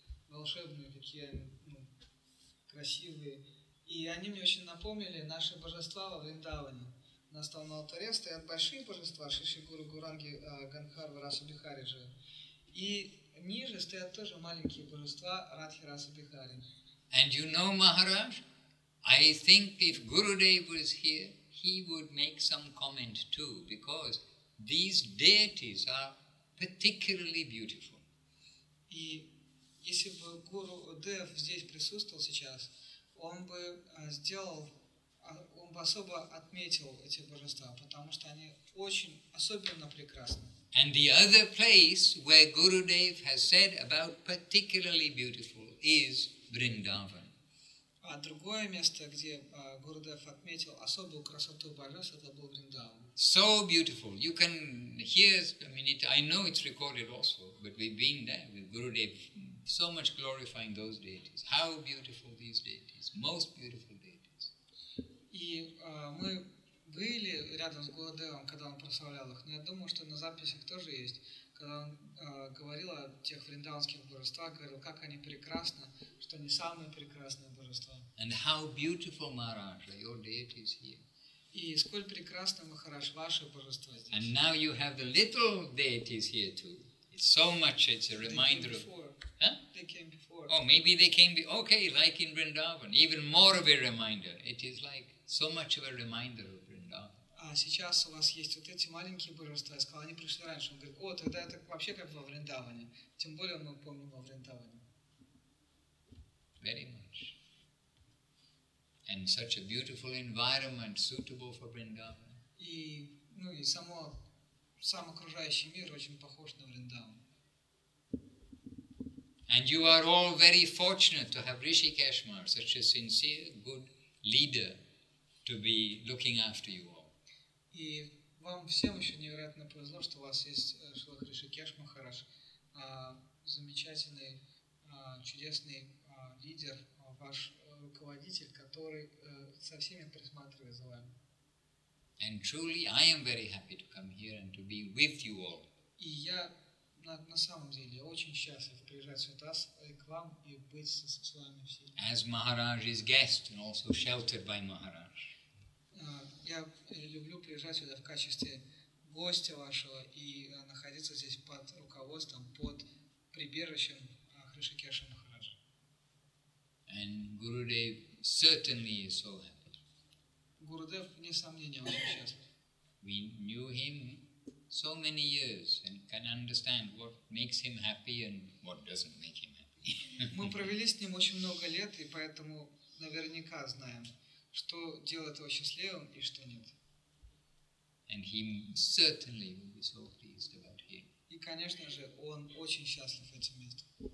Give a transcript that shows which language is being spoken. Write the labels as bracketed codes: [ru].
[ru] Волшебные такие, ну, красивые. И они мне очень напомнили наши божества во Вриндаване. У нас там на алтаре стоят большие божества, Шиши Гуру Гуранги, Гандхарва, Раса Бихари же. И ниже стоят тоже маленькие божества Радхи Раса Бихари. [en] And you know, Maharaj, I think if Gurudev was here, he would make some comment too, because these deities are particularly beautiful. [ru] И если бы Гуру Дев здесь присутствовал сейчас, он бы сделал, он бы особо отметил эти божества, потому что они очень особенно прекрасны. [en] And the other place where Guru Dev has said about particularly beautiful is Vrindavan. [ru] А другое место, где Гуру Дев отметил особую красоту божеств, это был Вриндаван. [en] So beautiful. You can hear, I mean, I know it's recorded also, but we've been there with Guru Dev. So much glorifying those deities. How beautiful these deities! Most beautiful deities. [ru] И мы были рядом с Гурудевом, когда он прославлял их. Но я думаю, что на записях тоже есть, когда он говорил о тех вриндаванских божествах, говорил, как они прекрасны, что они самые прекрасные божества. [en] And how beautiful, Maharaj, are your deities here. [ru] И сколь прекрасны, Махарадж, ваши божества здесь. [en] And now you have the little deities here too. It's so much. It's a reminder of. Huh? They came before. Oh, maybe they came before. Okay, like in Vrindavan. Even more of a reminder. It is like so much of a reminder of Vrindavan. [ru] А сейчас у вас есть вот эти маленькие божества. Я сказал, они пришли раньше. Он говорит, о, тогда это вообще как во Вриндаване. Тем более мы помним во Вриндаване. [en] Very much. And such a beautiful environment suitable for Vrindavan. [ru] И, ну, и само, сам окружающий мир очень похож на Вриндаван. [en] And you are all very fortunate to have Rishikesh Mahar, such a sincere, good leader, to be looking after you all. [ru] И вам всем еще невероятно повезло, что у вас есть Шрила Ришикеш Махарадж, замечательный, чудесный лидер, ваш руководитель, который со всеми присматривает за вами. [en] And truly, I am very happy to come here and to be with you all. [ru] И я на самом деле очень счастлив приезжать сюда к вам и быть с вами всеми. [en] As Maharaj is guest and also sheltered by Maharaj. [ru] Я люблю приезжать сюда в качестве гостя вашего и находиться здесь под руководством, под прибежищем Хришикеша Махараджа. [en] And Gurudev certainly is so happy. [ru] Гурудев, вне сомнения, очень счастлив. [en] We knew him so many years and can understand what makes him happy and what doesn't make him happy. [ru] Мы провели с ним очень много лет, и поэтому наверняка знаем, что делает его счастливым и что нет. [en] And he certainly will be so pleased about him. [ru] И, конечно же, он очень счастлив этим местом.